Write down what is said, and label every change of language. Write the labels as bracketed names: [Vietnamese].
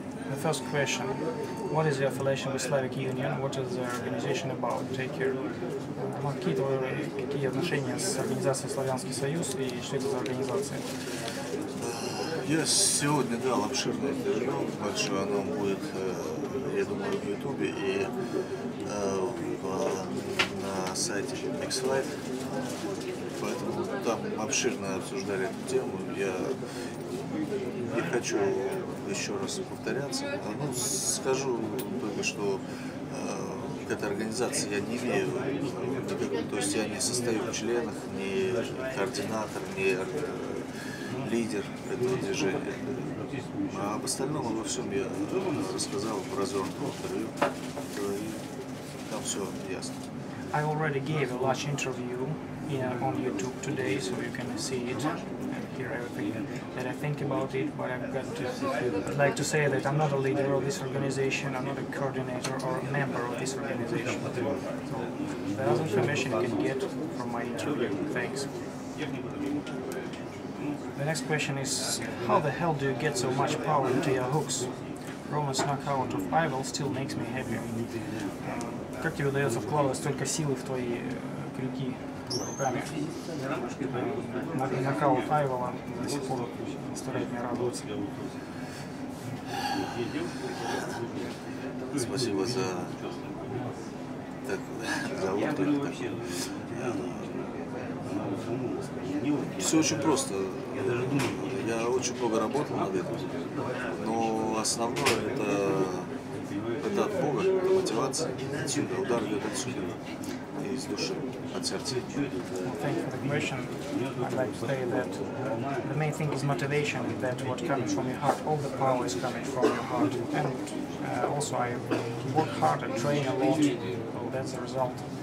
[English] The first question, what is the affiliation with Slavic Union? What is the organization about? Take care. [Russian] Какие отношения с организацией Славянский Союз и что это за организация? Я сегодня дал обширное интервью, большое оно будет, я думаю, в Ютубе и на сайте BodogFIGHT. Поэтому там обширно обсуждали эту тему. Я не хочу еще раз повторяться. Ну, скажу только, что к этой организации я не имею никакого, то есть я не состою в членах, не координатор, не лидер этого движения. А об остальном во всем я рассказал в развернутом интервью, и там все ясно. [English] I already gave a large interview on YouTube today, so you can see it and hear everything that I think about it. But I've got to like to say that I'm not a leader of this organization, I'm not a coordinator or a member of this organization. So that other information you can get from my interview. Thanks. The next question is, how the hell do you get so much power into your hooks? Roman's knockout of Ivel still makes me happy. [Russian] Как тебе удается вкладывать столько силы в твои крюки руками? Нокаут Айвола до сих пор заставляет меня радоваться. Спасибо за отклик. Все очень просто. Я очень много работал над этим. Но основное это... Это от Бога, это мотивация, отсюда удар идет отсюда, и из души, от сердца. [English] Thank you for the question. I'd like to say that the main thing is motivation, that what comes from your heart, all the power is coming from your heart. And also I work hard and train a lot, that's the result.